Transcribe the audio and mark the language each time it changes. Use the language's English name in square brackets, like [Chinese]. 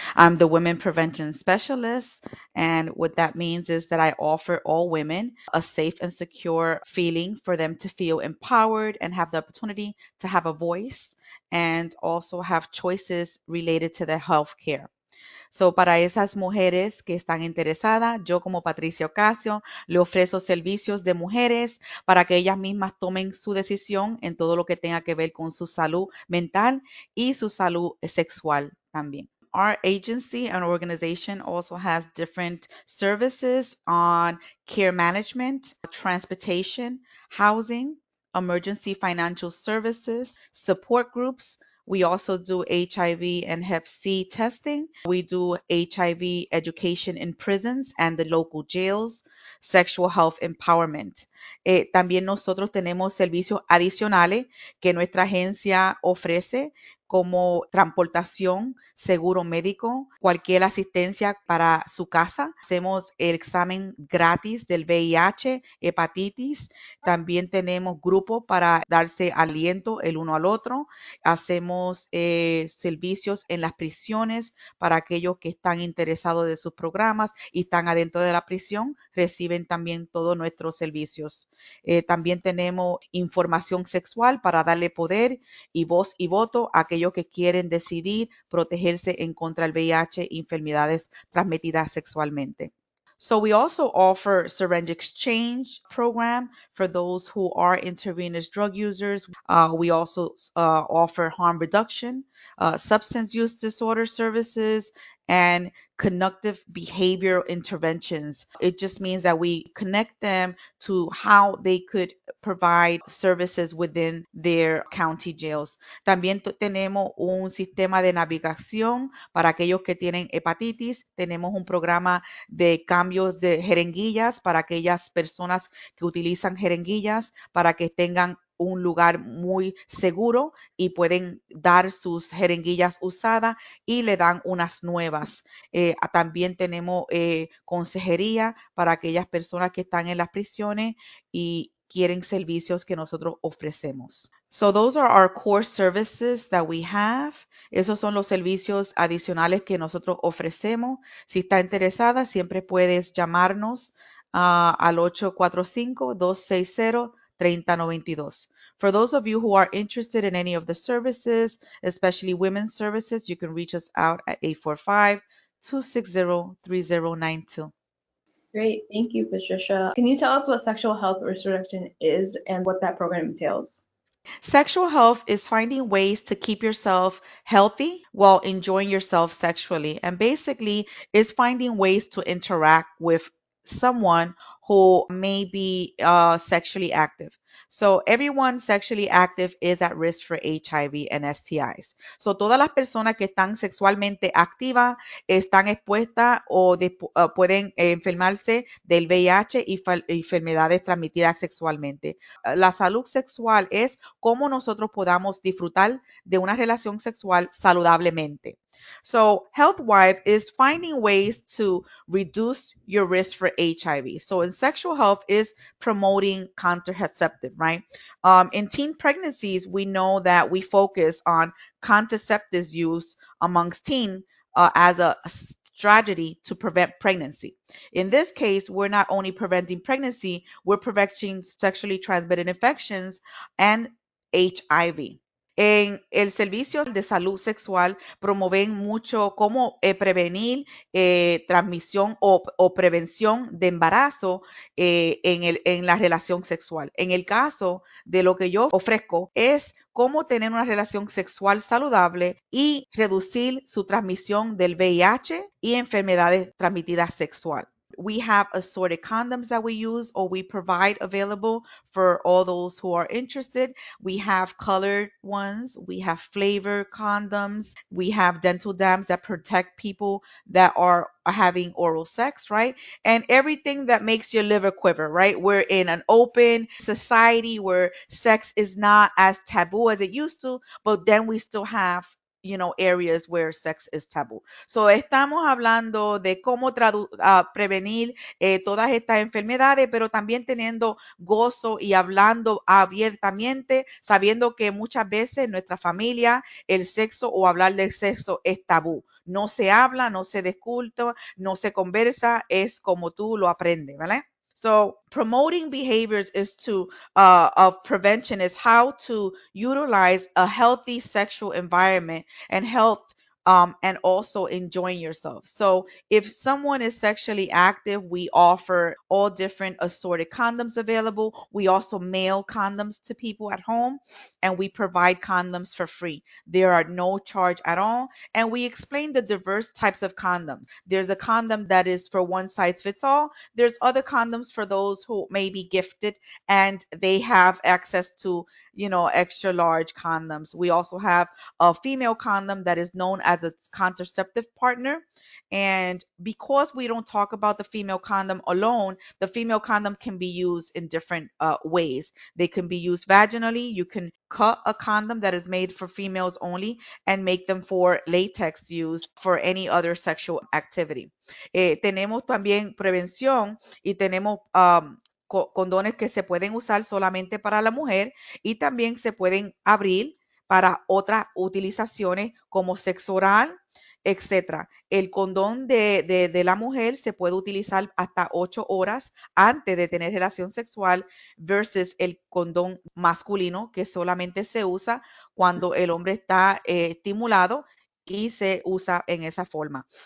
[English] I'm the Women Prevention Specialist, and what that means is that I offer all women a safe and secure feeling for them to feel empowered and have the opportunity to have a voice and also have choices related to their health care. [Spanish] So, para esas mujeres que están interesadas, yo como Patricia Ocasio le ofrezco servicios de mujeres para que ellas mismas tomen su decisión en todo lo que tenga que ver con su salud mental y su salud sexual también. [English] Our agency and organization also has different services on care management, transportation, housing, emergency financial services, support groups. We also do HIV and Hep C testing. We do HIV education in prisons and the local jails, sexual health empowerment. [Spanish] También nosotros tenemos servicios adicionales que nuestra agencia ofrece, como transportación, seguro médico, cualquier asistencia para su casa. Hacemos el examen gratis del VIH, hepatitis. También tenemos grupos para darse aliento el uno al otro. Hacemos servicios en las prisiones para aquellos que están interesados de sus programas y están adentro de la prisión, reciben también todos nuestros servicios. También tenemos información sexual para darle poder y voz y voto a aquellos que quieren decidir protegerse en contra del VIH y enfermedades transmitidas sexualmente. [English] So we also offer syringe exchange program for those who are intravenous drug users. We also offer harm reduction, substance use disorder services, and conductive behavioral interventions. It just means that we connect them to how they could provide services within their county jails. [Spanish] También tenemos un sistema de navegación para aquellos que tienen hepatitis. Tenemos un programa de cambios de jeringuillas para aquellas personas que utilizan jeringuillas para que tengan un lugar muy seguro y pueden dar sus jeringuillas usadas y le dan unas nuevas. También tenemos consejería para aquellas personas que están en las prisiones y quieren servicios que nosotros ofrecemos. [English] So those are our core services that we have. [Spanish] Esos son los servicios adicionales que nosotros ofrecemos. Si está interesada, siempre puedes llamarnos al 845-260 3092. [English] For those of you who are interested in any of the services, especially women's services, you can reach us out at 845-260-3092. Great, thank you, Patricia. Can you tell us what sexual health risk reduction is and what that program entails? Sexual health is finding ways to keep yourself healthy while enjoying yourself sexually. And basically, it's finding ways to interact with someone who may be sexually active. So everyone sexually active is at risk for HIV and STIs. [Spanish] So todas las personas que están sexualmente activas están expuestas o pueden enfermarse del VIH y enfermedades transmitidas sexualmente. La salud sexual es cómo nosotros podamos disfrutar de una relación sexual saludablemente. [English] So HealthWife is finding ways to reduce your risk for HIV. So in sexual health is promoting contraceptive, right? In teen pregnancies, we know that we focus on contraceptive use amongst teen as a strategy to prevent pregnancy. In this case, we're not only preventing pregnancy, we're preventing sexually transmitted infections and HIV. [Spanish] En el servicio de salud sexual promueven mucho cómo prevenir transmisión o prevención de embarazo en la relación sexual. En el caso de lo que yo ofrezco es cómo tener una relación sexual saludable y reducir su transmisión del VIH y enfermedades transmitidas sexual. [English] We have assorted condoms that we use or we provide available for all those who are interested. We have colored ones. We have flavored condoms. We have dental dams that protect people that are having oral sex, right? And everything that makes your liver quiver, right? We're in an open society where sex is not as taboo as it used to, but then we still have, you know, areas where sex is taboo. [Spanish] So estamos hablando de cómo prevenir todas estas enfermedades, pero también teniendo gozo y hablando abiertamente, sabiendo que muchas veces en nuestra familia el sexo o hablar del sexo es tabú. No se habla, no se disculpa, no se conversa, es como tú lo aprendes, ¿vale? [English] So promoting behaviors is to of prevention is how to utilize a healthy sexual environment and health and also enjoying yourself. So if someone is sexually active, we offer all different assorted condoms available. We also mail condoms to people at home and we provide condoms for free. There are no charge at all. And we explain the diverse types of condoms. There's a condom that is for one size fits all. There's other condoms for those who may be gifted and they have access to, you know, extra large condoms. We also have a female condom that is known as its contraceptive partner. And because we don't talk about the female condom alone, the female condom can be used in different ways. They can be used vaginally. You can cut a condom that is made for females only and make them for latex use for any other sexual activity. [Spanish] Tenemos también prevención y tenemos condones que se pueden usar solamente para la mujer y también se pueden abrir para otras utilizaciones como sexo oral, etc. El condón de la mujer se puede utilizar hasta 8 horas antes de tener relación sexual versus el condón masculino que solamente se usa cuando el hombre está estimulado y se usa en esa forma.